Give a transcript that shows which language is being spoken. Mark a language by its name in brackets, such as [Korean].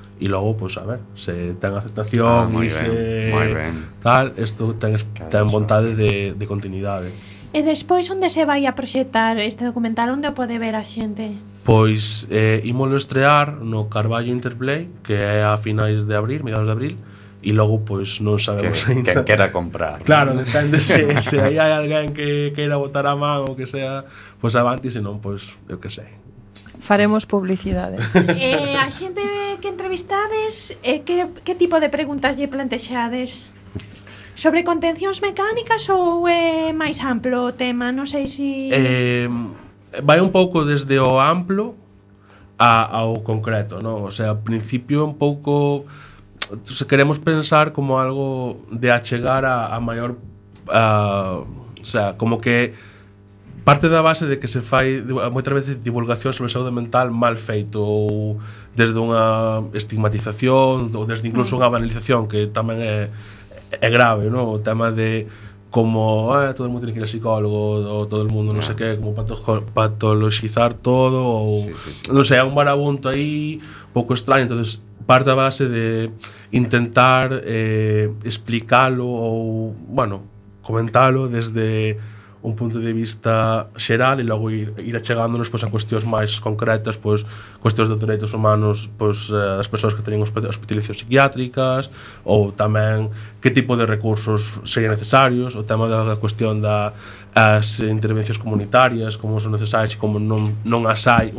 [Spanish] y luego pues a ver, [Galician] se ten aceptación [Spanish] muy y bien, se muy bien. [Galician] Tal, esto ten vontade de continuidade. E despois onde se vai a proxectar este documental, onde o pode ver a xente? Pois ímolo estrear no Carballo Interplay, que é a finais de abril, mediados de abril. E logo, pois, non sabemos que, ainda. Que quera comprar. Claro, depende se aí hai alguén que queira botar a man ou que sea, pois avanti, senón, pois, eu que sei. Faremos publicidade. A xente que entrevistades, que tipo de preguntas lle plantexades? Sobre contencións mecánicas ou máis amplo o tema? Non sei se... Vai un pouco desde o amplo ao concreto, non? O sea, ao principio un pouco... Entonces, queremos pensar como algo de achegar a maior o sea, como que parte da base de que se fai moitas veces divulgación sobre saúde mental mal feito ou desde unha estigmatización ou desde incluso unha banalización que tamén é grave, ¿no? [Spanish] O tema de como todo el mundo tiene que ir a psicólogo o todo el mundo no sé qué, como patologizar todo ou, sí. No sé, [Galician] un barabunto aí pouco extraño, entonces parte a base de intentar explicarlo ou, bueno, comentarlo desde un punto de vista xeral e logo ir achegándonos pues, a cuestións máis concretas, pues, cuestións de dereitos humanos pues, das persoas que teñen hospitalizacións psiquiátricas ou tamén que tipo de recursos serían necesarios, o tema da cuestión das intervencións comunitarias, como son necesarias e como non as hai.